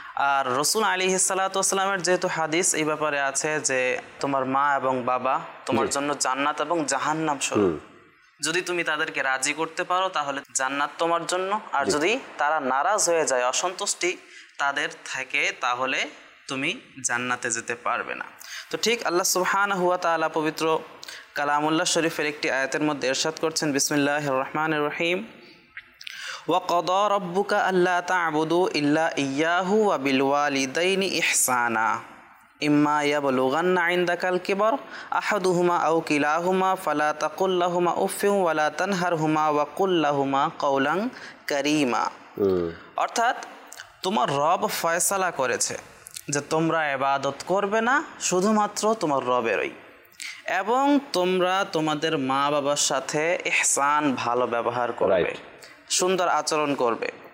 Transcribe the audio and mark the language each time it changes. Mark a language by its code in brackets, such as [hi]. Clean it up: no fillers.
[bn] আর রাসূল আলাইহি সাল্লাতু ওয়াসাল্লামের যেহেতু হাদিস এই ব্যাপারে আছে যে তোমার মা এবং বাবা তোমার জন্য জান্নাত এবং জাহান্নাম স্বরূপ, যদি তুমি তাদেরকে রাজি করতে পারো তাহলে জান্নাত তোমার জন্য, আর যদি তারা নারাজ হয়ে যায়, অসন্তুষ্টি তাদের থাকে, তাহলে তুমি জান্নাতে যেতে পারবে না। তো ঠিক আল্লাহ সুবহানাহু ওয়া তাআলা পবিত্র কালামুল্লাহ শরীফের একটি আয়াতের মধ্যে ইরশাদ করছেন, বিসমিল্লাহির রহমানির রহিম, [ar] وقضى ربك الا تعبدوا الا اياه وبالوالدين احسانا اما يبلغن عندك الكبر احدهما او كلاهما فلا تقل لهما اف ولا تنهرهما وقل لهما قولا كريما। [bn] অর্থাৎ তোমার রব ফয়সালা করেছে যে তোমরা ইবাদত করবে না শুধুমাত্র তোমার রবেরই, এবং তোমরা তোমাদের মা বাবার সাথে ইহসান ভালো ব্যবহার করবে, সুন্দর আচরণ করবে।